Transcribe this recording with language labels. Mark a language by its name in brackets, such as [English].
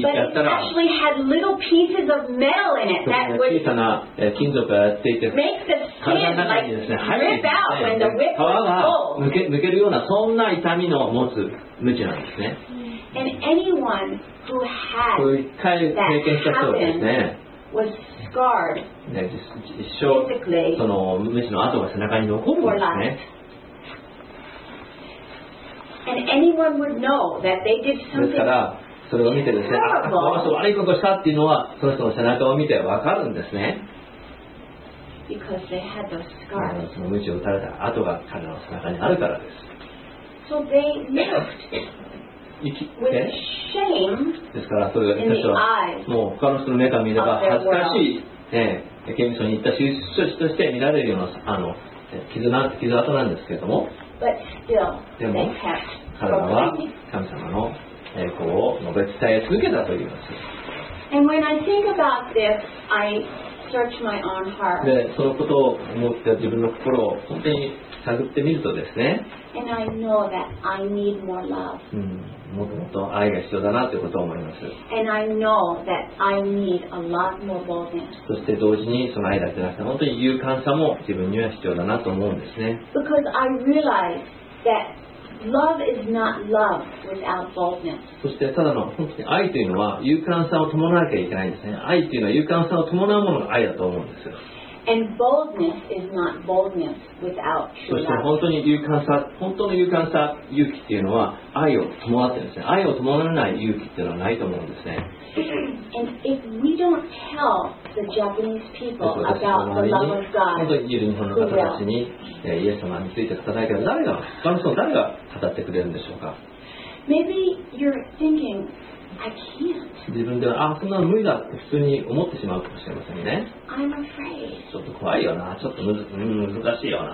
[Japanese] やったら、 [English] it had little pieces of metal in it that would [Japanese] 小さな金属がやっていて、体の中にですね、入って、皮が抜けるような、そんな痛みの持つ鞭なんですね。 [English] And anyone who had [Japanese] そういう一回経験した人ですね、 [English] was scarred, [Japanese] 一生、その鞭の跡が背中に残るんですね。 [English] And anyone would know that they did something [Japanese] ですから、それを見てですね、ああ、そう、悪いことしたっていうのは、その人の背中を見て分かるんですね。 [English] Because they had those scars. [Japanese] その鞭を打たれた跡が彼の背中にあるからです。 [English] So they lived with shame in the eyes of their world. [Japanese] もう他の人の目から見れば恥ずかしい、刑務所に行った囚者として見られるような、あの 傷跡なんですけれども。 [English] But still, [Japanese] でも彼らは神様の栄光を述べ伝え続けたと言います。 [English] And when I think about this, I search my own heart. [Japanese] で、そのことを思って自分の心を本当に探ってみるとですね。 [English] And I know that I need more love. [Japanese] もっともっと愛が必要だなということを思います。 [English] And I know that I need a lot more boldness. [Japanese] そして同時にその愛だけじゃなくて本当に勇敢さも自分には必要だなと思うんですね。 [English] Because I realize that love is not love without boldness. [Japanese] そしてただの本当に愛というのは勇敢さを伴わなきゃいけないんですね。愛というのは勇敢さを伴うものが愛だと思うんですよ。 [English] And boldness is not boldness without love. [Japanese] そして本当に勇敢さ、本当の勇敢さ、勇気っていうのは愛を伴ってるんですね。愛を伴わない勇気っていうのはないと思うんですね。 [English] And if we don't tell the Japanese people about the love of God, [Japanese] 本当に日本の方たちにイエス様について語らないけど、誰が、他の人誰が語ってくれるんでしょうか。 [English] Maybe you're thinking, I can't. [Japanese] 自分ではあそんなの無理だって普通に思ってしまうかもしれませんね。 [English] I'm afraid. [Japanese] ちょっと怖いよな、ちょっと難しいよな。